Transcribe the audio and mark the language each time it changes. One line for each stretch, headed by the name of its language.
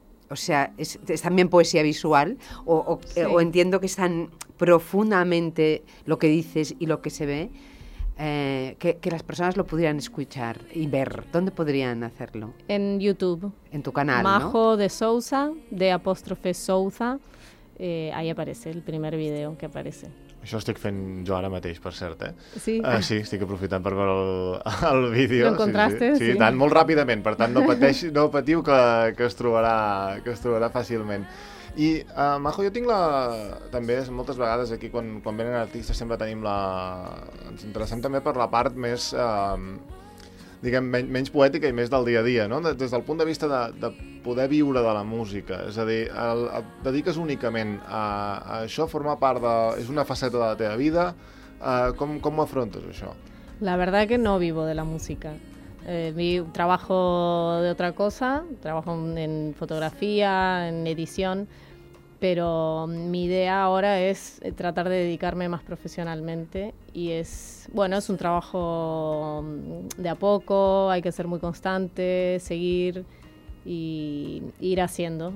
Spanish: Es también poesía visual, o entiendo que es tan profundamente lo que dices y lo que se ve, que las personas lo pudieran escuchar y ver. ¿Dónde podrían hacerlo? En YouTube. En tu canal, Majo, ¿no? De Souza, de apóstrofe Souza, ahí aparece el primer video que aparece.
Catalan: Això ho estic fent jo ara mateix, per cert, eh? Sí. Sí, estic aprofitant per veure el vídeo.
Spanish: Lo encontraste, sí.
Catalan: Sí, tant, molt ràpidament. Per tant, no patiu que es trobarà fàcilment. I, Majo, jo tinc la... També moltes vegades aquí, quan venen artistes, sempre tenim la... Ens interessem també per la part més, diguem, menys poètica i més del dia a dia, no? Des del punt de vista de poder viure de la música, és a dir, el dediques únicament a això, forma part de... És una faceta de la teva vida. Com ho afrontes, això?
Spanish: La verdad que no vivo de la música. Trabajo de otra cosa, trabajo en fotografía, en edición, pero mi idea ahora es tratar de dedicarme más profesionalmente, y es, bueno, es un trabajo de a poco, hay que ser muy constante, seguir y ir haciendo.